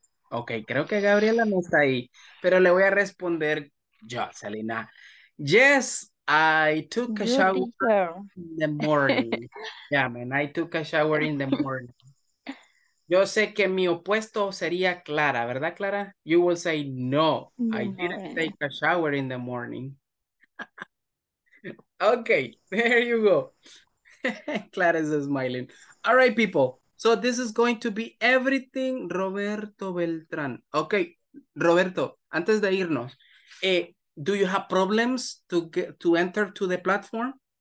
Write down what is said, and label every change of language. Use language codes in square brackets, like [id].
[es] Ok, creo que Gabriela no está ahí, pero le voy a responder yo, Selena. [en] Yes, I took a shower in the morning. Yeah, man, I took a shower in the morning. [es] Yo sé que mi opuesto sería Clara, ¿verdad, Clara? [en] You will say, no, I didn't take a shower in the morning. Ok, there you go. Clara is smiling. All right, people. So this is going to be everything Roberto Beltrán. Okay, Roberto, [es] antes de irnos, [en] do you have problems to enter to the platform?